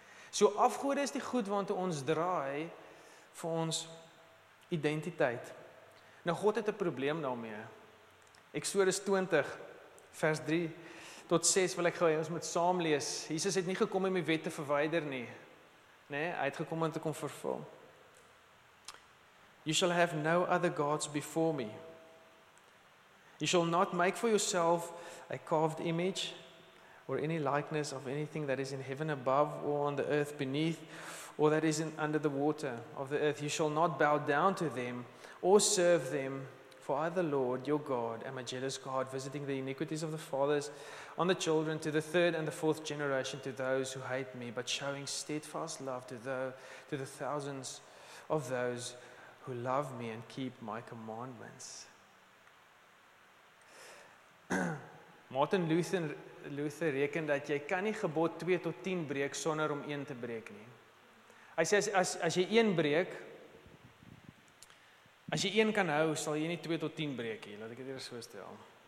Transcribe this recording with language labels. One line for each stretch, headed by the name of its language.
Afrikaans: So afgode is die goed want ons draai vir ons identiteit. Nou God het 'n probleem daarmee. Exodus 20 vers 3 tot 6 wil ek gou hê ons moet saam lees. Jesus het nie gekom om die wet te verwyder nie. Nê, hy het gekom om te kom vervul.
English: You shall have no other gods before me. You shall not make for yourself a carved image or any likeness of anything that is in heaven above or on the earth beneath or that is in under the water of the earth. You shall not bow down to them or serve them. For I, the Lord, your God, am a jealous God, visiting the iniquities of the fathers on the children to the third and the fourth generation to those who hate me, but showing steadfast love to the thousands of those who love me and keep my commandments.
Afrikaans: Martin Luther reken dat jy kan nie gebod 2 tot 10 breek sonder om 1 te breek nie. Hy sê as jy 1 breek, as jy 1 kan hou, sal jy nie 2 tot 10 breek nie. Laat ek dit eers so stel.